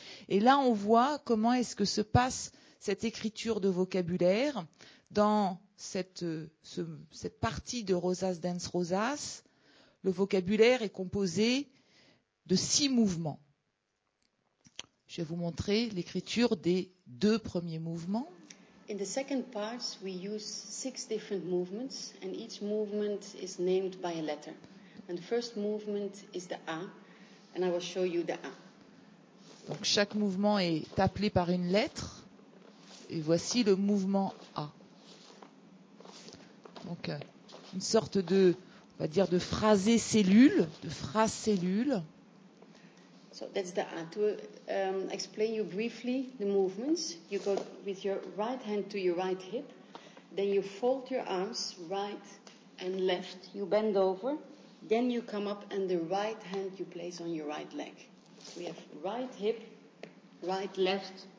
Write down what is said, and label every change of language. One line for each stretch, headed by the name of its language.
French: Et là, on voit comment est-ce que se passe cette écriture de vocabulaire dans cette partie de Rosas Dance Rosas. Le vocabulaire est composé de 6 mouvements. Je vais vous montrer l'écriture des 2 premiers mouvements.
English: In the second part, we use 6 different movements, and each movement is named by a letter. And the first movement is the A, and I will show you the A.
French: Donc chaque mouvement est appelé par une lettre, et voici le mouvement A. Donc une sorte de, on va dire, de phrasé cellule, de phrase cellule.
English: So that's the A. To explain you briefly the movements, you go with your right hand to your right hip, then you fold your arms right and left, you bend over, then you come up and the right hand you place on your right leg. So we have right hip, right left.